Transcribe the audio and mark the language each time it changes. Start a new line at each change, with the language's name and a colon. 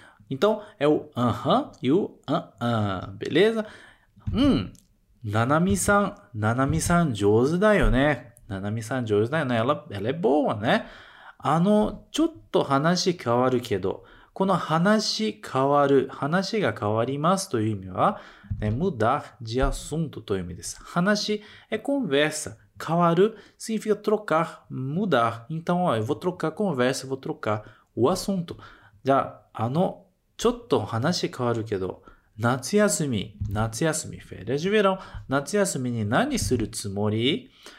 Portuguese: Então, é o aham e o aham, beleza?
Japanese: Nanami-san, 上手だよね。 Nanami-san, 上手だよね。
Portuguese: ela é boa, né?
Japanese: ちょっと話変わるけど、この話変わる、話が変わりますという意味は、ね、
Portuguese: mudar de assunto
Japanese: という意味です。
Portuguese: 話é conversa. 変わる significa trocar, mudar. Então, eu vou trocar a conversa, vou trocar o assunto.
Japanese: じゃあ、ちょっと話変わるけど、夏休み、フェレジュベロン、夏休みに何するつもり？